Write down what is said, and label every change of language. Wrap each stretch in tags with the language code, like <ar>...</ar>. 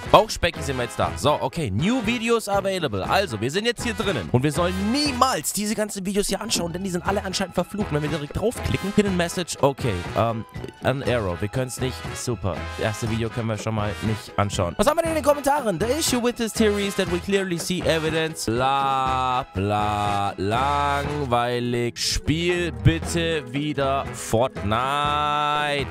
<de>Bauchspecki sind wir jetzt da. So, okay.</de> <en>New Videos available.</en> <de>Also, wir sind jetzt hier drinnen. Und wir sollen niemals diese ganzen Videos hier anschauen, denn die sind alle anscheinend verflucht. Wenn wir direkt draufklicken, Hidden Message, okay. An Error. Wir können es nicht. Super. Erste Video können wir schon mal nicht anschauen. Was haben wir denn in den Kommentaren?</de> <en>The issue with this theory is that we clearly see evidence.</en> <de>Bla, bla, langweilig. Spiel bitte wieder Fortnite.</de>